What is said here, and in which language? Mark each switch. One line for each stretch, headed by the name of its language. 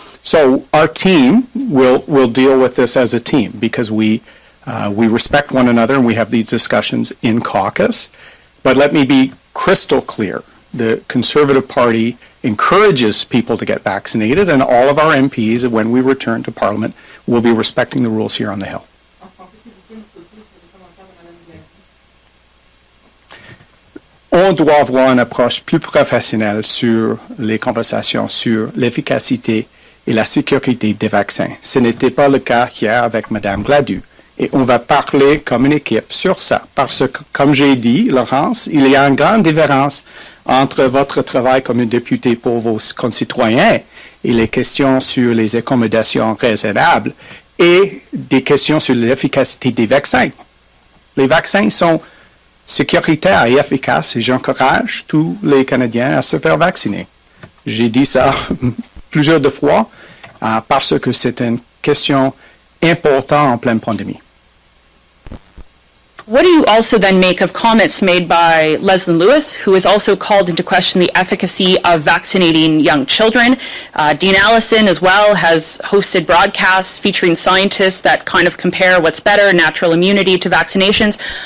English: So our team will deal with this as a team because we respect one another and we have these discussions in caucus. But let me be crystal clear. The Conservative Party encourages people to get vaccinated, and all of our MPs, when we return to Parliament, will be respecting the rules here on the Hill.
French: On doit avoir une approche plus professionnelle sur les conversations sur l'efficacité et la sécurité des vaccins. Ce n'était pas le cas hier avec Mme Gladue. Et on va parler comme une équipe sur ça. Parce que, comme j'ai dit, Laurence, il y a une grande différence entre votre travail comme une députée pour vos concitoyens et les questions sur les accommodations raisonnables et des questions sur l'efficacité des vaccins. Les vaccins sont sécuritaires et efficaces et j'encourage tous les Canadiens à se faire vacciner. J'ai dit ça plusieurs de fois parce que c'est une question important en pleine pandémie.
English: What do you also then make of comments made by Leslyn Lewis, who has also called into question the efficacy of vaccinating young children? Dean Allison as well has hosted broadcasts featuring scientists that kind of compare what's better, natural immunity to vaccinations.